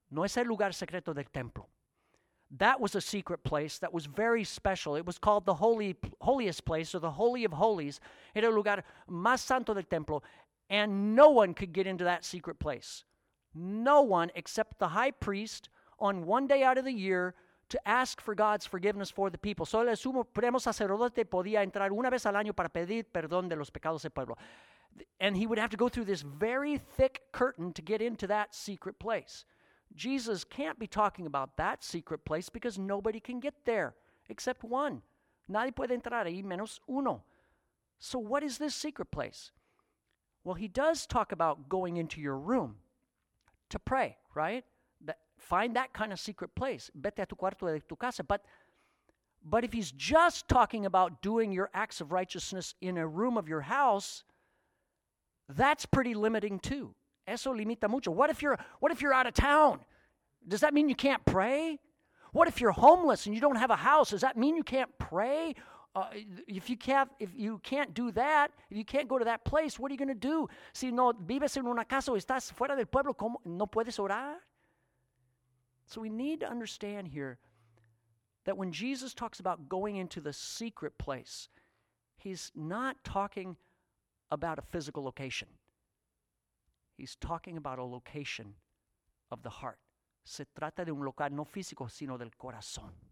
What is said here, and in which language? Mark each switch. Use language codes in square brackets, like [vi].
[es] No es el lugar secreto del templo. [en] That was a secret place that was very special. It was called the holiest place, or the Holy of Holies. [es] Era el lugar más santo del templo. [en] And no one could get into that secret place. No one except the high priest on one day out of the year to ask for God's forgiveness for the people. [es] Solo el sumo sacerdote podía entrar una vez al año para pedir perdón de los pecados del pueblo. [en] And he would have to go through this very thick curtain to get into that secret place. Jesus can't be talking about that secret place because nobody can get there except one. [es] Nadie puede entrar ahí menos uno. [en] So what is this secret place? Well, he does talk about going into your room to pray, right? Find that kind of secret place. [es] Vete a tu cuarto de tu casa. [en] But But if he's just talking about doing your acts of righteousness in a room of your house, that's pretty limiting too. [es] Eso limita mucho. [en] What if you're out of town? Does that mean you can't pray? What if you're homeless and you don't have a house? Does that mean you can't pray? If you can't do that, if you can't go to that place, what are you going to do? [es] Si no vives en una casa o estás fuera del pueblo, ¿cómo? ¿No puedes orar? [en] So we need to understand here that when Jesus talks about going into the secret place, he's not talking about a physical location. He's talking about a location of the heart. [es] Se trata de un lugar no físico, sino del corazón.